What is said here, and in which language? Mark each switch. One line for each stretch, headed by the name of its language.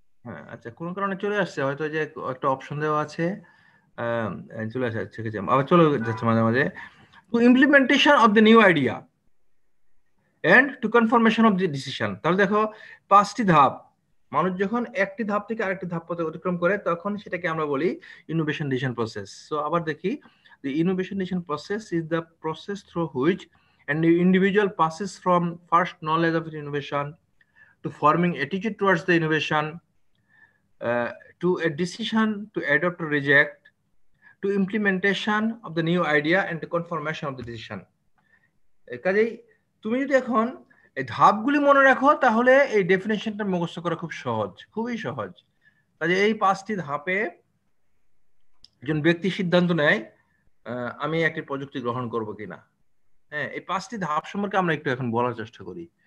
Bangla: হ্যাঁ আচ্ছা, কোন কারণে চলে আসছে, হয়তো যে একটা অপশন দেওয়া আছে চলে আসছে, ঠিক আছে আবার চলে যাচ্ছে মাঝে মাঝে।
English: To implementation of the new idea and to confirmation of the decision.
Bangla: তাহলে দেখো পাঁচটি ধাপ, মানুষ যখন একটি ধাপ থেকে আরেকটি ধাপ পথে অতিক্রম করে তখন সেটাকে আমরা বলি ইনোভেশন ডিসিশন প্রসেস। সো আবার দেখি,
English: the innovation decision process is the process through which an individual passes from first knowledge of innovation to forming attitude towards the innovation to a decision to adopt or reject to implementation of the new idea and to confirmation of the decision.
Bangla: কাজেই তুমি যদি এখন এই ধাপগুলি মনে রাখো তাহলে এই ডেফিনিশনটা মুখস্থ করা খুব সহজ, খুবই সহজ। কাজে এই পাঁচটি ধাপে একজন ব্যক্তি সিদ্ধান্ত নেয় আমি একটি প্রযুক্তি গ্রহণ করব কিনা। হ্যাঁ, এই পাঁচটি ধাপ সম্পর্কে আমরা একটু এখন বলার চেষ্টা করি।